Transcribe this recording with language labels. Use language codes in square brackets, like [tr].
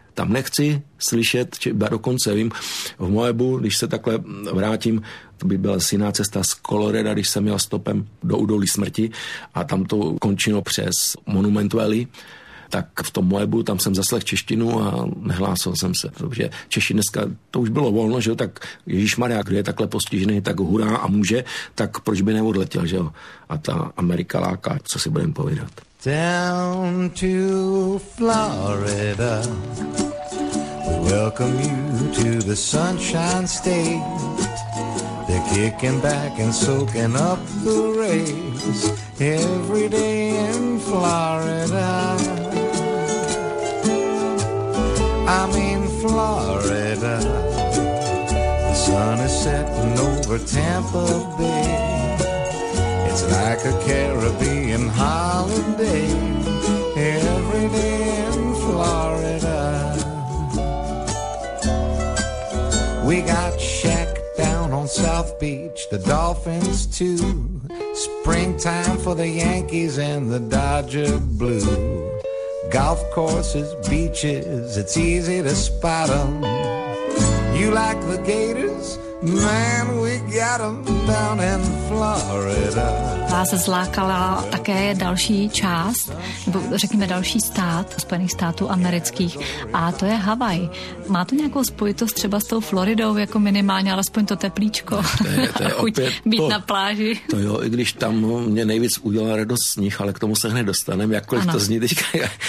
[cs] Tam nechci slyšet, já dokonce vím, v Moebu, když se takhle vrátím, to by byla jiná cesta z Colorada, když jsem měl stopem do údolí smrti a tam to končilo přes Monument Valley, tak v tom Moebu, tam jsem zaslech češtinu a nehlásil jsem se, protože Češi dneska, to už bylo volno, že jo, tak ježišmarja, kdo je takhle postižený, tak hurá a může, tak proč by neodletěl, že jo, a ta Amerika láká, co si budeme povídat. [en] Down to Florida, welcome you to the Sunshine State. They're kicking back and soaking up the rays every day in Florida. I'm in Florida. The sun is setting over Tampa Bay. It's like a Caribbean holiday every day in Florida. We got shack down on South Beach, the Dolphins too. Springtime for the Yankees and the Dodger Blue. Golf courses, beaches, it's easy to spot them. You like the Gators? Man, we got them down in Florida. [cs] Vás zlákala také další část, nebo řekněme další stát Spojených států amerických, a to je Havaj. Má to nějakou spojitost třeba s tou Floridou, jako minimálně alespoň to teplíčko to je opět na pláži? To jo, i když tam mě nejvíc udělala radost sníh, ale k tomu se hned dostaneme, jakkoliv ano. To zní teďka.